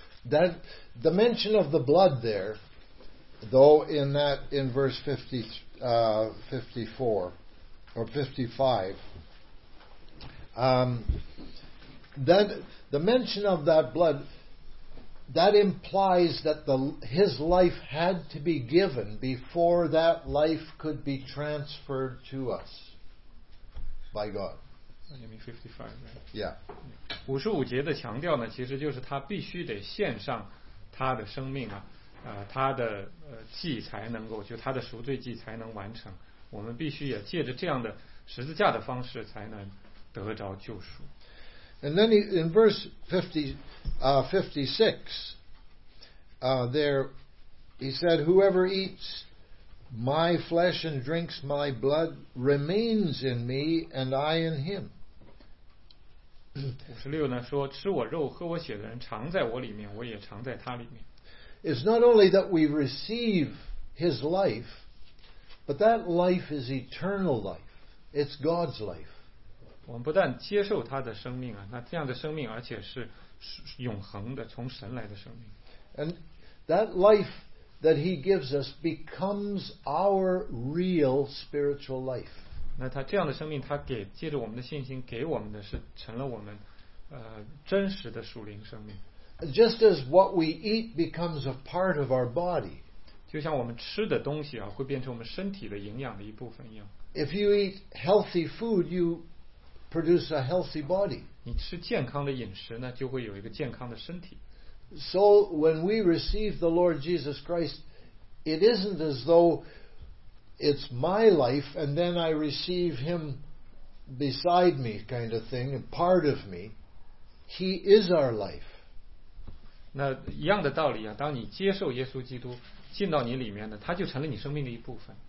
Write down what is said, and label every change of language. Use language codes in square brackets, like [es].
[en] That the mention of the blood there, though in verse 54 or 55, that the mention of that blood, that implies that his life had to be given before that life could be transferred to us by God. You mean 55, right? Yeah. [zh] 55节的强调呢，其实就是他必须得献上他的生命啊，他的祭才能够，就他的赎罪祭才能完成。我们必须也借着这样的十字架的方式才能得着救赎。 [en] And then in verse 56, there he said, "Whoever eats my flesh and drinks my blood remains in me, and I in him." [zh] 56呢说，吃我肉喝我血的人常在我里面，我也常在他里面。 [en] It's not only that we receive his life, but that life is eternal life. It's God's life. [zh] 我们不但接受他的生命啊，那这样的生命，而且是永恒的，从神来的生命。 [en] And that life that He gives us becomes our real spiritual life. [zh] 那他这样的生命，他给借着我们的信心给我们的是成了我们真实的属灵生命。 [en] Just as what we eat becomes a part of our body. [zh] 就像我们吃的东西啊，会变成我们身体的营养的一部分一样。 [en] If you eat healthy food, you produce a healthy body. [zh] 你吃健康的饮食呢，就会有一个健康的身体。 [en] So when we receive the Lord Jesus Christ, it isn't as though it's my life and then I receive Him beside me, kind of thing, part of me. He is our life. [zh] 那一样的道理啊，当你接受耶稣基督进到你里面呢，他就成了你生命的一部分。